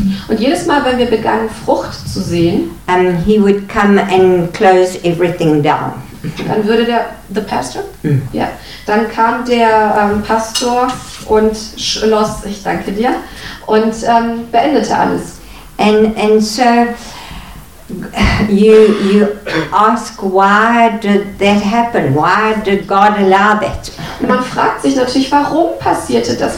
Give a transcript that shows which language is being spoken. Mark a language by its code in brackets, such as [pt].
[de] Und jedes Mal, wenn wir begannen, Frucht zu sehen, [en] he would come and close everything down. [de] Dann würde der [en] the pastor? [de] Ja. Dann kam der Pastor und schloss sich, danke dir, und beendete alles. [en] And so you ask, why did that happen? Why did God allow that? [de] Und man fragt sich natürlich, warum passierte das?